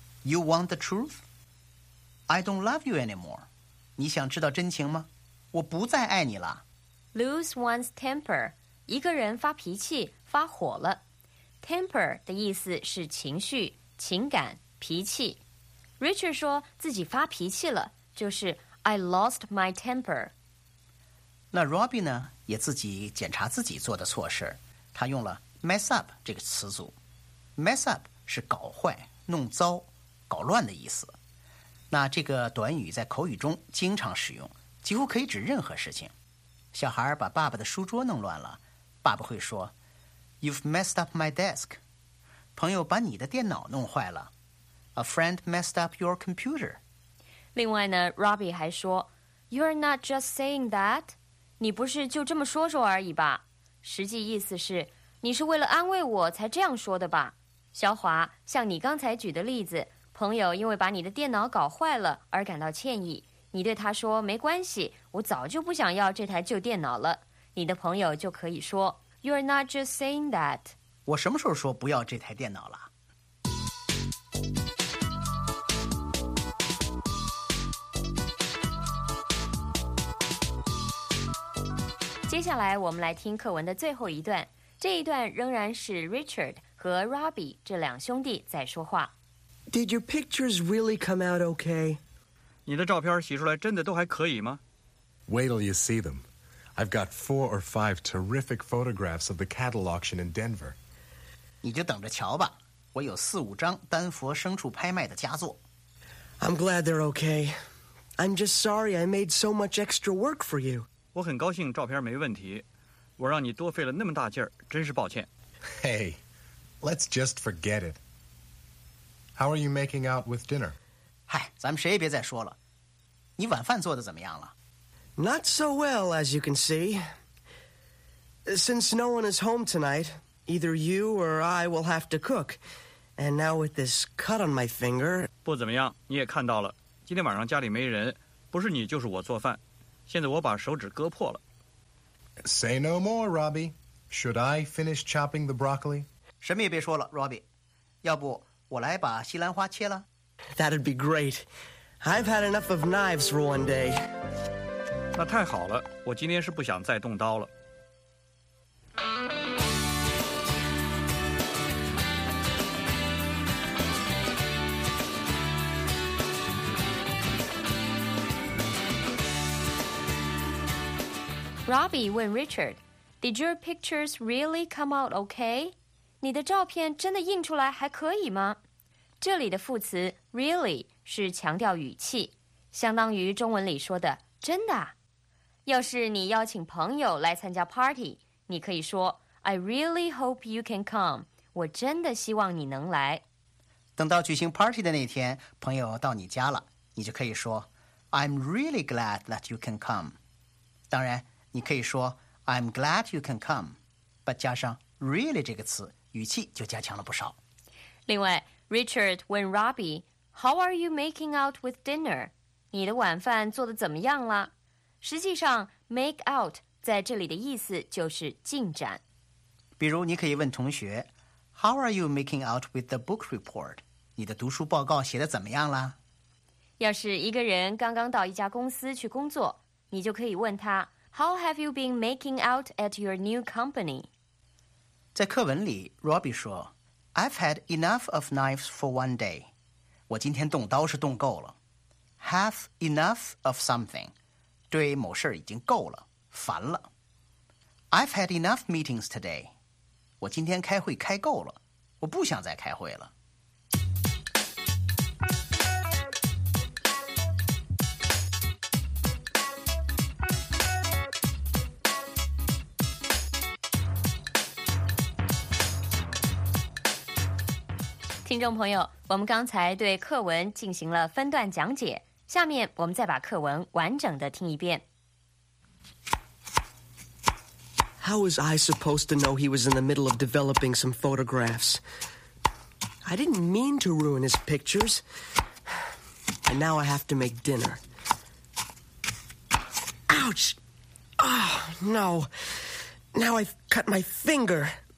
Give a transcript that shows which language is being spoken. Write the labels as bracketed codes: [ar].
[en] You want the truth? I don't love you anymore. [zh] 你想知道真情吗？我不再爱你了。 [en] Lose one's temper. [zh] 一个人发脾气，发火了。 Temper 的意思是情绪、情感、脾气。 Richard 说自己发脾气了，就是 [en] I lost my temper。 [zh] 那 Robbie 呢，也自己检查自己做的错事，他用了 mess up 这个词组。 mess up 是搞坏、弄糟、搞乱的意思。那这个短语在口语中经常使用，几乎可以指任何事情。小孩把爸爸的书桌弄乱了，爸爸会说 [en] You've messed up my desk. [zh] 朋友把你的电脑弄坏了， [en] A friend messed up your computer. [zh] 另外呢， Robbie 还说 [en] You're not just saying that. [zh] 你不是就这么说说而已吧？实际意思是你是为了安慰我才这样说的吧。小华，像你刚才举的例子，朋友因为把你的电脑搞坏了而感到歉意，你对他说没关系，我早就不想要这台旧电脑了，你的朋友就可以说 [en] You're not just saying that. [zh] 我什么时候说不要这台电脑了？接下来我们来听课文的最后一段，这一段仍然是 Richard 和 Robbie 这两兄弟在说话。 [en] Did your pictures really come out okay? [zh] 你的照片洗出来真的都还可以吗？ [en] Wait till you see them. I've got 4 or 5 terrific photographs of the cattle auction in Denver. [zh] 你就等着瞧吧，我有4-5张丹佛牲畜拍卖的佳作。 [en] I'm glad they're okay. I'm just sorry I made so much extra work for you. [zh] 我很高兴照片没问题，我让你多费了那么大劲儿，真是抱歉。 [en] Hey, let's just forget it. How are you making out with dinner? [zh] 嗨，咱们谁也别再说了。你晚饭做得怎么样了？ [en] Not so well, as you can see. Since no one is home tonight, either you or I will have to cook. And now with this cut on my finger... [zh] 不怎么样，你也看到了。今天晚上家里没人，不是你就是我做饭。现在我把手指割破了。 [en] Say no more, Robbie. Should I finish chopping the broccoli? [zh] 什么也别说了，Robbie。要不我来把西兰花切了。 [en] That'd be great. I've had enough of knives for one day. [zh] 那太好了，我今天是不想再动刀了。 [en] Robbie [zh] 问 [en] Richard, Did your pictures really come out okay? [zh] 你的照片真的印出来还可以吗？这里的副词 really 是强调语气，相当于中文里说的真的。要是你邀请朋友来参加 party， 你可以说 [en] I really hope you can come， [zh] 我真的希望你能来。等到举行 party 的那天，朋友到你家了，你就可以说 [en] I'm really glad that you can come。 [zh] 当然你可以说 [en] I'm glad you can come， [zh] but 加上 really 这个词，语气就加强了不少。另外 [en] ，Richard 问 Robbie， "How are you making out with dinner?" [zh] 你的晚饭做得怎么样了？实际上 ，make out 在这里的意思就是进展。比如，你可以问同学 ， [en] "How are you making out with the book report?" [zh] 你的读书报告写得怎么样了？要是一个人刚刚到一家公司去工作，你就可以问他 ， [en] "How have you been making out at your new company?" [zh] 在课文里 ，Robbie 说 ， [en] I've had enough of knives for one day. [zh] 我今天动刀是动够了。 [en] Have enough of something， [zh] 对某事已经够了，烦了。 [en] I've had enough meetings today. [zh] 我今天开会开够了，我不想再开会了。听众朋友，我们刚才对课文进行了分段讲解，下面我们再把课文完整的听一遍。 [en] How was I supposed to know he was in the middle of developing some photographs? I didn't mean to ruin his pictures. And now I have to make dinner. Ouch! Oh, no! Now I've cut my finger!